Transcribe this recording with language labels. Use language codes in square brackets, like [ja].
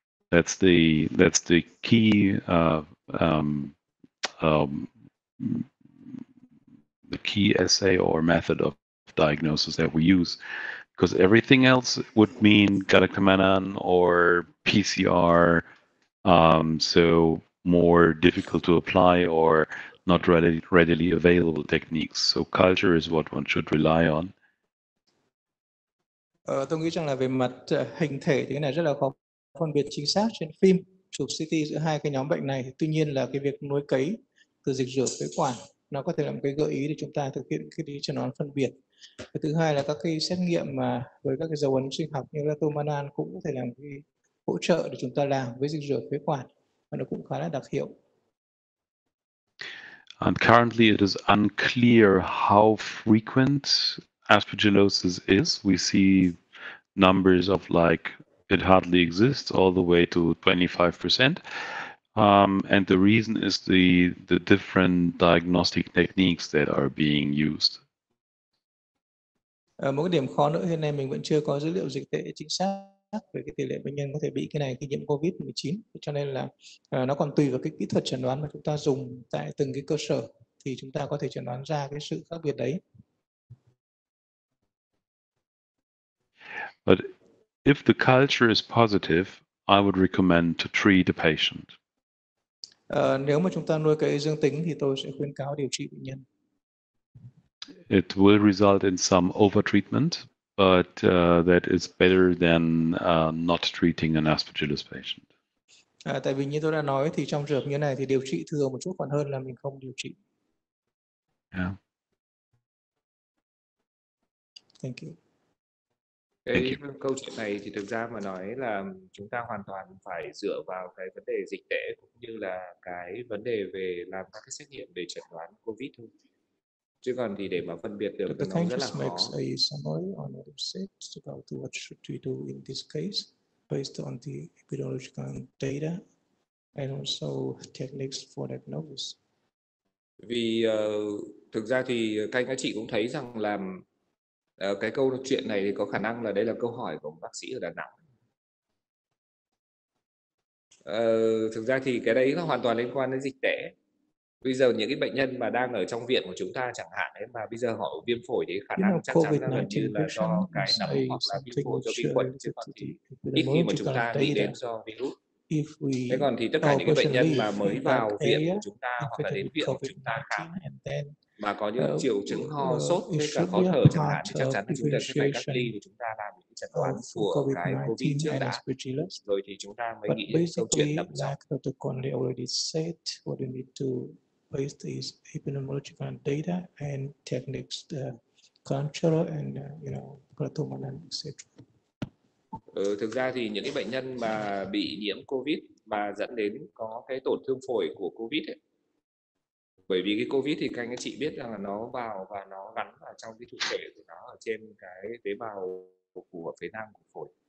[en] That's the key the key assay or method of diagnosis that we use, because everything else would mean galactomannan or PCR, so more difficult to apply or not readily available techniques. So culture is what one should rely on. [vi] Tôi nghĩ rằng là về mặt hình thể thì cái này rất là khó phân biệt chính xác trên phim chụp CT giữa hai cái nhóm bệnh này. Tuy nhiên là cái việc nuôi cấy từ dịch rửa phế quản nó có thể là một cái gợi ý để chúng ta thực hiện cái đi chẩn đoán phân biệt. Và thứ hai là các cái xét nghiệm mà với các cái dấu ấn sinh học như là Tomanan cũng có thể làm cái hỗ trợ để chúng ta làm với dịch rửa phế quản, và nó cũng khá là đặc hiệu. [en] And currently it is unclear how frequent aspergillosis is. We see numbers of like it hardly exists all the way to 25%. And the reason is the different diagnostic techniques that are being used. [vi] Một cái điểm khó nữa hiện nay mình vẫn chưa có dữ liệu dịch tễ chính xác về cái tỷ lệ bệnh nhân có thể bị cái này khi nhiễm COVID-19, cho nên là nó còn tùy vào cái kỹ thuật chẩn đoán mà chúng ta dùng tại từng cái cơ sở thì chúng ta có thể chẩn đoán ra cái sự khác biệt đấy. [en] But if the culture is positive, I would recommend to treat a patient. [vi] Nếu mà chúng ta nuôi cái dương tính thì tôi sẽ khuyến cáo điều trị bệnh nhân. [en] It will result in some overtreatment, but that is better than not treating an aspergillus patient. [vi] Tại vì như tôi đã nói thì trong trường hợp như này thì điều trị thường một chút còn hơn là mình không điều trị. [en] Yeah. Thank you. [vi] Cái câu chuyện này thì thực ra mà nói là chúng ta hoàn toàn phải dựa vào cái vấn đề dịch tễ cũng như là cái vấn đề về làm các cái xét nghiệm để chẩn đoán COVID thôi. Chứ còn thì để mà phân biệt được thì nó rất là khó. [en] Makes a summary on what you said about what should we do in this case based on the epidemiological data and also techniques for diagnosis. [vi] Vì thực ra thì các chị cũng thấy rằng là cái câu chuyện này thì có khả năng là đây là câu hỏi của một bác sĩ ở Đà Nẵng. Thực ra thì cái đấy nó hoàn toàn liên quan đến dịch tễ. Bây giờ những cái bệnh nhân mà đang ở trong viện của chúng ta chẳng hạn ấy, mà bây giờ họ viêm phổi thì khả năng chắc chắn là gần như là do cái nấm hoặc là viêm phổi do vi khuẩn, chứ còn thì ít khi mà chúng ta nghĩ đến do virus. Thế còn thì tất cả những cái bệnh nhân mà mới vào viện của chúng ta hoặc là đến viện của chúng ta khám mà có những triệu chứng ho, sốt với cả khó thở chẳng hạn thì chắc chắn là chúng ta sẽ phải cách ly và chúng ta làm những chẩn đoán của cái COVID chưa đã. Rồi thì chúng ta mới nghĩ đến câu chuyện nấm sau. [en] Based is epidemiological data and techniques, the control and you know, clotomanan, etc. [vi] Thực ra thì những cái bệnh nhân mà bị nhiễm COVID mà dẫn đến có cái tổn thương phổi của COVID ấy. Bởi vì cái COVID thì các anh chị biết rằng là nó vào và nó gắn vào trong cái thụ thể của nó ở trên cái tế bào của phế nang của phổi.